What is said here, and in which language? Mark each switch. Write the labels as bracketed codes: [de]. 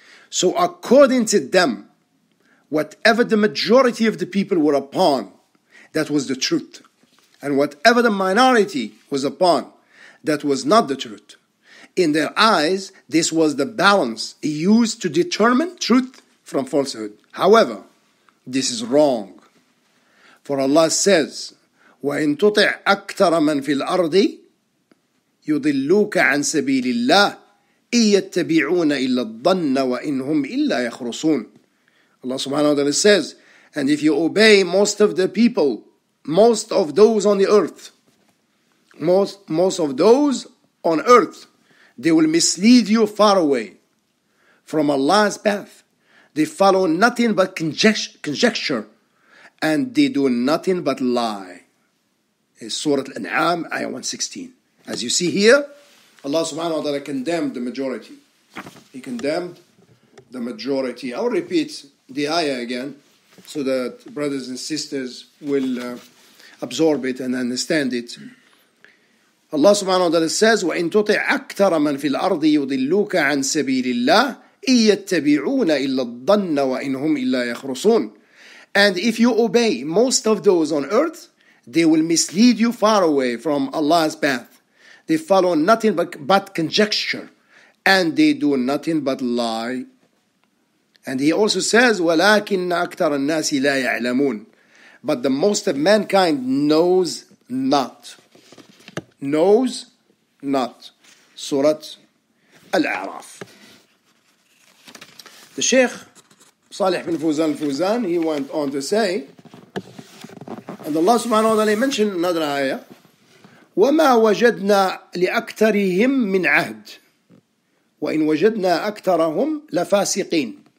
[en] So according to them, whatever the majority of the people were upon, that was the truth. And whatever the minority was upon, that was not the truth. In their eyes, this was the balance used to determine truth from falsehood. However, this is wrong. For Allah says, [ar] وَإِن تُطِعْ أَكْتَرَ مَن فِي الْأَرْضِ يُضِلُّوكَ عَن سَبِيلِ اللَّهِ إِيَّتَّبِعُونَ إِلَّا الظَّنَّ وَإِنْهُمْ إِلَّا يَخْرُصُونَ. [en] Allah subhanahu wa ta'ala says, and if you obey most of the people, most of those on the earth, most of those on earth, they will mislead you far away from Allah's path. They follow nothing but conjecture, and they do nothing but lie. It's Surah Al-An'am, ayah 116. As you see here, Allah subhanahu wa ta'ala condemned the majority. He condemned the majority. I'll repeat the ayah again so that brothers and sisters will absorb it and understand it. Allah subhanahu wa ta'ala says, [ar] وَإِن تُطِعْ أَكْثَرَ مَن فِي الْأَرْضِ يُضِلُّوكَ عَن سَبِيلِ اللَّهِ إِن يَتَّبِعُونَ إِلَّا الظَّنَّ وَإِن هُمْ إِلَّا يَخْرُصُونَ. [en] And if you obey most of those on earth, they will mislead you far away from Allah's path. They follow nothing but conjecture, and they do nothing but lie. And he also says, [ar] وَلَكِنَّ أَكْثَرَ النَّاسِ لَا يَعْلَمُونَ. [en] But the most of mankind knows not. Knows not. Surat Al-A'raf. The Sheikh Salih bin Fuzan Fuzan, he went on to say, and Allah subhanahu wa ta'ala mentioned another ayah, [ar] وَمَا وَجَدْنَا لِأَكْتَرِهِمْ مِنْ عَهْدٍ وَإِنْ وَجَدْنَا أَكْتَرَهُمْ لَفَاسِقِينَ.